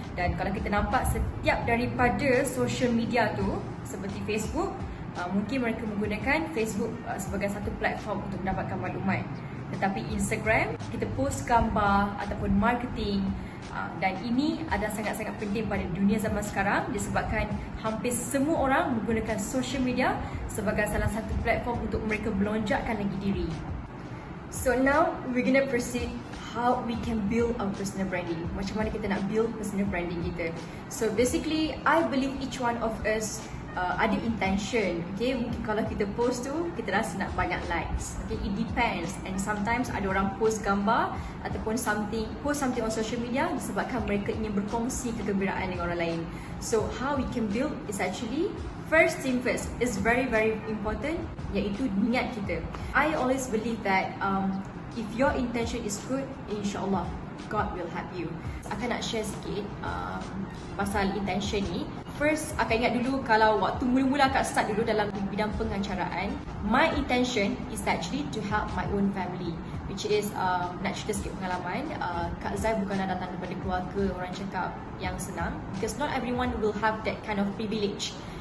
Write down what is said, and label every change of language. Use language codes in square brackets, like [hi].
[ms] Dan kalau kita nampak setiap daripada social media tu seperti Facebook, mungkin mereka menggunakan Facebook sebagai satu platform untuk mendapatkan maklumat. Tetapi Instagram, kita post gambar ataupun marketing. Dan ini adalah sangat-sangat penting pada dunia zaman sekarang disebabkan hampir semua orang menggunakan social media sebagai salah satu platform untuk mereka melonjakkan lagi diri. [en] So now we're gonna proceed how we can build our personal branding. [ms] Macam mana kita nak build personal branding kita. [en] So basically, I believe each one of us ada intention. [ms] Okay, mungkin kalau kita post tu, kita rasa nak banyak likes. Okay, [en] it depends. And sometimes [ms] ada orang post gambar ataupun [en] post something on social media [ms] disebabkan mereka ingin berkongsi kegembiraan dengan orang lain. [en] So how we can build is actually first thing first. It's very very important, [ms] iaitu niat kita. [en] I always believe that if your intention is good, insyaAllah God will help you. [ms] Akan nak share sikit pasal intention ni. First, akan ingat dulu kalau waktu mula-mula akan start dulu dalam bidang pengacaraan. [en] My intention is actually to help my own family. Which is, [ms] nak cerita sikit pengalaman. Kak Zai bukanlah datang daripada keluarga orang cakap yang senang. [en] Because not everyone will have that kind of privilege.